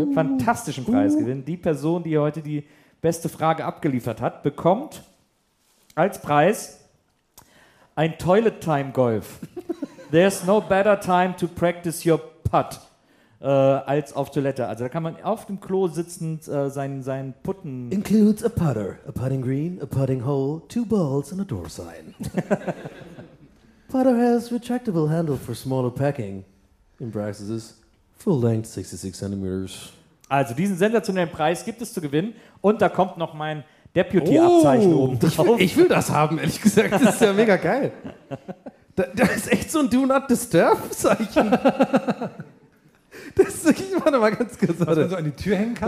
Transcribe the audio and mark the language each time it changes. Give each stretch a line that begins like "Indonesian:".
German: Es gibt einen fantastischen Preis zu gewinnen. Die Person, die heute die beste Frage abgeliefert hat, bekommt als Preis ein Toilet Time Golf.
English: There's no better time to practice your putt
German: als auf Toilette. Also da kann man auf dem Klo sitzend seinen Putten...
English: Includes a putter, a putting green, a putting hole, two balls and a door sign. Putter has retractable handle for smaller packing. In practices, full length, 66 centimeters.
German: Also diesen sensationellen Preis gibt es zu gewinnen. Und da kommt noch mein Deputy-Abzeichen oben drauf. Ich will das haben, ehrlich gesagt. Das ist ja mega geil. Da ist echt so ein Do-Not-Disturb-Zeichen. Das ist wirklich immer noch mal ganz kurz. Was man so an die Tür hängen kann?